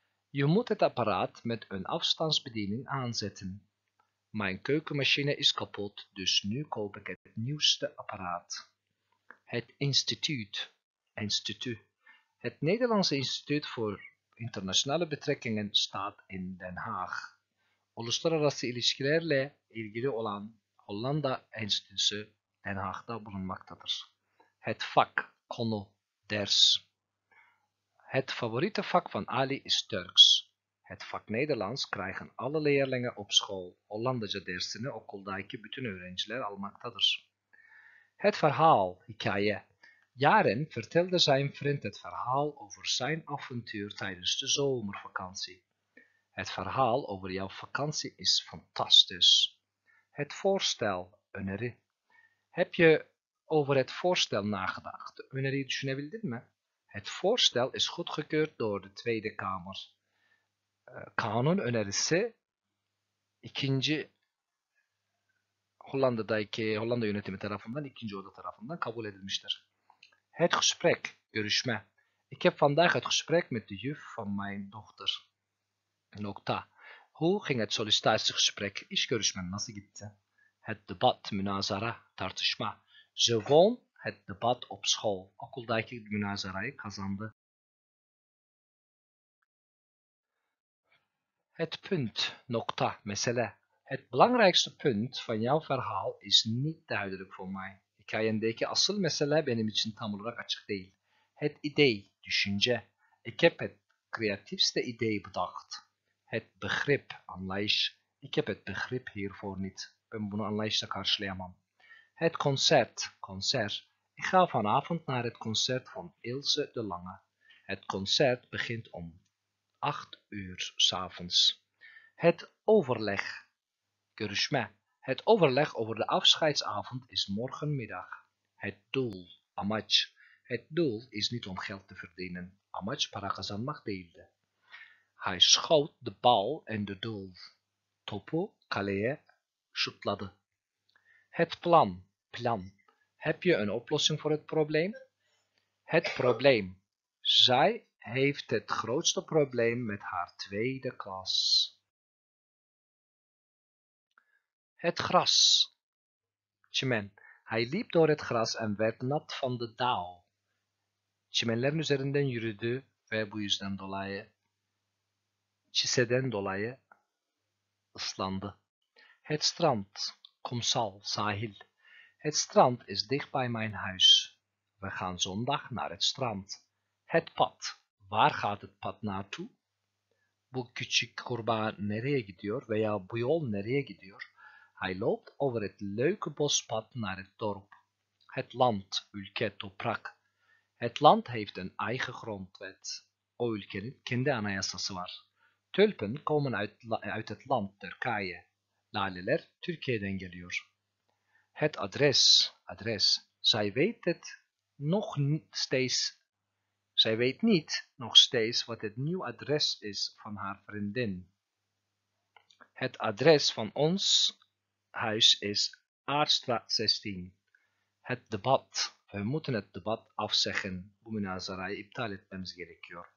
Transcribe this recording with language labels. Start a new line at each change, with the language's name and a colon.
Dutch: Je moet het apparaat met een afstandsbediening aanzetten. Mijn keukenmachine is kapot, dus nu koop ik het nieuwste apparaat. Het instituut, instituut. Het Nederlandse Instituut voor Internationale Betrekkingen staat in Den Haag.
Turkish: Uluslararası ilişkilerle ilgili olan Hollanda Enstitüsü Den Haag'da bulunmaktadır.
Dutch: Het vak, konu, ders. Het favoriete vak van Ali is Turks. Het vak Nederlands krijgen alle leerlingen op school.
Turkish: Hollandaca dersini okuldaki bütün öğrenciler almaktadır.
Dutch: Het verhaal, hikaye. Yaren vertelde zijn vriend het verhaal over zijn avontuur tijdens de zomervakantie. Het verhaal over jouw vakantie is fantastisch. Het voorstel, öneri. Heb je over het voorstel nagedacht?
Turkish: Öneri düşünebildin mi?
Dutch: Het voorstel is goedgekeurd door de Tweede Kamer.
Turkish: Kanun önerisi, ikinci Hollanda'daki Hollanda yönetimi tarafından ikinci oda tarafından kabul edilmiştir.
Dutch: Het gesprek, görüşme. Ik heb vandaag het gesprek met de juf van mijn dochter. Nokta. Hoe ging het sollicitatiegesprek?
Turkish: İş görüşmen nasıl gitti?
Dutch: Het debat, münazara, tartışma. Ze won het debat op school.
Turkish: Okuldaki münazarayı kazandı.
Dutch: Het punt, nokta, mesele. Het belangrijkste punt van jouw verhaal is niet duidelijk voor mij.
Turkish: Hikayendeki asıl mesele benim için tam olarak açık değil.
Dutch: Het idee,
Turkish: düşünce.
Dutch: Ik heb het creatiefste idee bedacht. Het begrip anlayış. Ik heb het begrip hiervoor niet.
Turkish: Ben bunu anlayışla karşılayamam.
Dutch: Het concert. Concert. Ik ga vanavond naar het concert van Ilse de Lange. Het concert begint om 8 uur 's avonds. Het overleg. Görüşme. Het overleg over de afscheidsavond is morgenmiddag. Het doel. Amaç. Het doel is niet om geld te verdienen.
Turkish: Amaç para kazanmak değildi.
Dutch: Hij schoot de bal en de doel.
Turkish: Topu kaleye şutladı.
Dutch: Het plan. Plan. Heb je een oplossing voor het probleem? Het probleem. Zij heeft het grootste probleem met haar tweede klas. Het gras. Çimen. Hij liep door het gras en werd nat van de dauw.
Turkish: Çimenlerin üzerinden yürüdü ve bu yüzden dolayı, çiseden dolayı ıslandı.
Dutch: Het strand. Kumsal. Sahil. Het strand is dicht bij mijn huis. We gaan zondag naar het strand. Het pad. Waar gaat het pad naartoe?
Turkish: Bu küçük kurbağa nereye gidiyor veya bu yol nereye gidiyor?
Dutch: Hij loopt over het leuke bospad naar het dorp. Het land, ülke, toprak. Het land heeft een eigen grondwet.
Turkish: O ülkenin kendi anayasası var.
Dutch: Tulpen komen uit het land Turkije.
Turkish: Laleler Türkiye'den geliyor.
Dutch: Het adres, adres. Zij weet het nog steeds. Zij weet niet nog steeds wat het nieuwe adres is van haar vriendin. Het adres van ons huis is Aardstraat 16. Het debat. We moeten het debat afzeggen.
Turkish: Bu münazarayı iptal etmemiz gerekiyor.